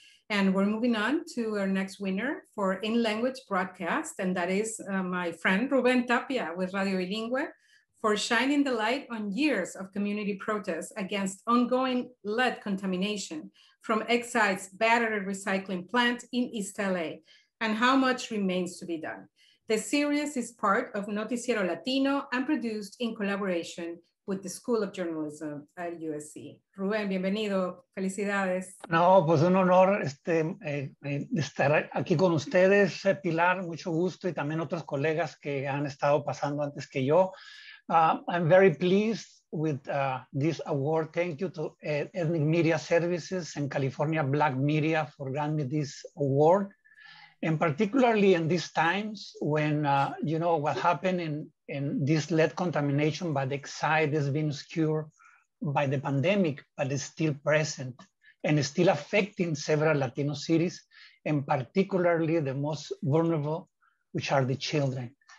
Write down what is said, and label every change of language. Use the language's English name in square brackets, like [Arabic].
[English] And we're moving on to our next winner for in-language broadcast, and that is my friend Ruben Tapia with Radio Bilingüe, for shining the light on years of community protests against ongoing lead contamination from Exide's battery recycling plant in East LA, and how much remains to be done. The series is part of Noticiero Latino and produced in collaboration with the School of Journalism at USC. [Spanish] Ruben, bienvenido, felicidades. No, pues un honor estar aquí con ustedes, Pilar, mucho gusto, y también otros colegas que han estado pasando antes que yo. [English] I'm very pleased with this award. Thank you to Ethnic Media Services and California Black Media for granting me this award. And particularly in these times when, you know, what happened in this lead contamination by the Exide has been obscured by the pandemic, but it's still present and it's still affecting several Latino cities, and particularly the most vulnerable, which are the children.